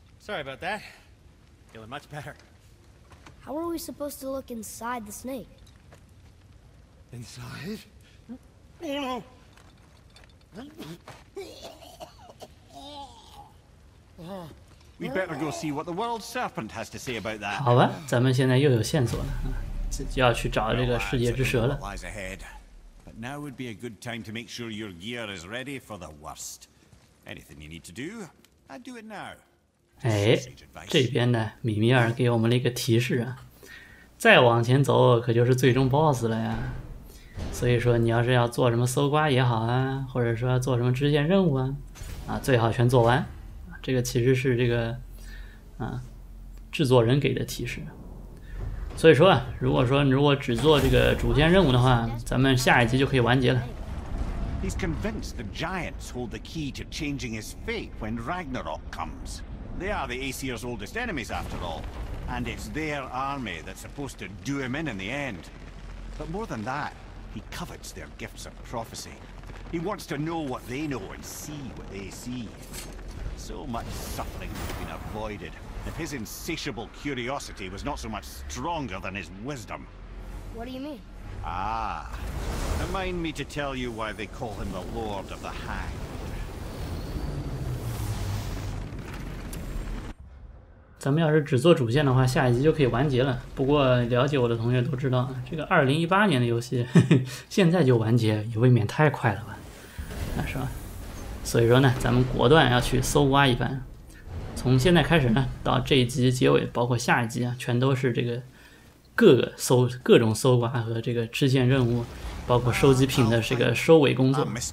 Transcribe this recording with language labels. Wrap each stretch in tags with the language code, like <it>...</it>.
<en>Sorry about that. Feeling much better. How are we supposed to look inside the snake? Inside? Oh, no! We better go see what the world serpent has to say about that.</en> <zh>好吧，咱们现在又有线索了，就要去找这个世界之蛇了。</zh> <en>Lies ahead, but now would be a good time to make sure your gear is ready for the worst. Anything you need to do, I'd do it now.</en> <zh>哎，这边呢，米米尔给我们了一个提示啊，再往前走可就是最终 boss 了呀。所以说你要是要做什么搜刮也好啊，或者说做什么支线任务啊最好全做完。这个其实是这个制作人给的提示。所以说如果只做这个主线任务的话，咱们下一集就可以完结了。</zh> <en>He's convinced the giants hold the key to changing his fate when Ragnarok comes. They are the Aesir's oldest enemies after all, and it's their army that's supposed to do him in the end. But more than that,He covets their gifts of prophecy. He wants to know what they know and see what they see. So much suffering has been avoided if his insatiable curiosity was not so much stronger than his wisdom. What do you mean? Ah, remind me to tell you why they call him the Lord of the Hanged.</en> <zh>咱们要是只做主线的话，下一集就可以完结了。不过了解我的同学都知道，这个2018年的游戏，现在就完结也未免太快了吧？那是吧？所以说呢，咱们果断要去搜刮一番。从现在开始呢，到这一集结尾，包括下一集啊，全都是这个各种搜刮和这个支线任务，包括收集品的这个收尾工作。</zh>